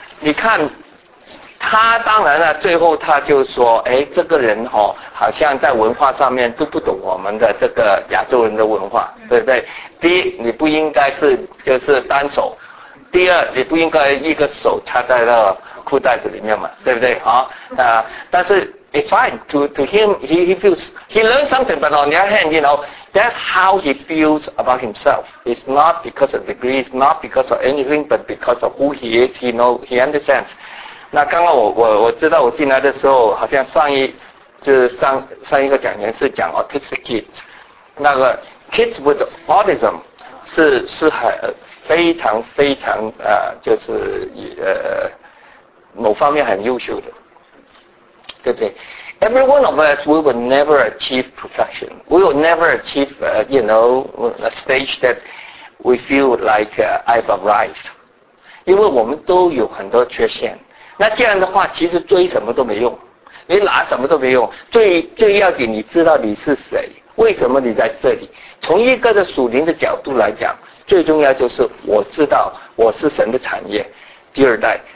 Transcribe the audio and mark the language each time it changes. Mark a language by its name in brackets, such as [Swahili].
[Chinese] 你看他当然了，最后他就说这个人好像在文化上面都不懂我们的这个亚洲人的文化，对不对？第一，你不应该是就是单手，第二，你不应该一个手插在那裤袋子里面嘛，对不对？但是 [English] it's fine to him. He feels he learned something. But on the other hand, you know, that's how he feels about himself. It's not because of degree. It's not because of anything. But because of who he is. He know. He understands. [Chinese] 那刚刚我知道我进来的时候，好像上一个讲员是讲 [English] autistic kids. [Chinese] 那个 [English] kids with autism [Chinese] 是很非常非常就是某方面很优秀的，对不对？ [English] Every one of us, we will never achieve perfection. We will never achieve, you know, a stage that we feel like I've arrived. [Chinese] 因为我们都有很多缺陷。那这样的话，其实追什么都没用，你拿什么都没用。最要紧，你知道你是谁，为什么你在这里？从一个的属灵的角度来讲，最重要就是我知道我是神的产业，第二代。